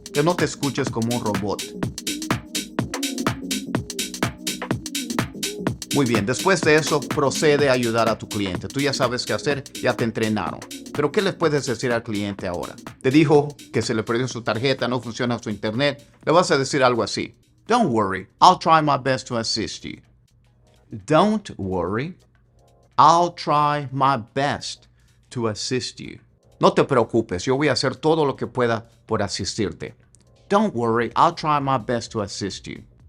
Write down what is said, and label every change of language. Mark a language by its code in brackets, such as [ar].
[es] Que no te escuches como un robot. Muy bien, después de eso, procede a ayudar a tu cliente. Tú ya sabes qué hacer, ya te entrenaron. Pero, ¿qué le puedes decir al cliente ahora? Te dijo que se le perdió su tarjeta, no funciona su internet. Le vas a decir algo así. [en] Don't worry, I'll try my best to assist you. Don't worry, I'll try my best to assist you. [es] No te preocupes, yo voy a hacer todo lo que pueda por asistirte. [en] Don't worry, I'll try my best to assist you.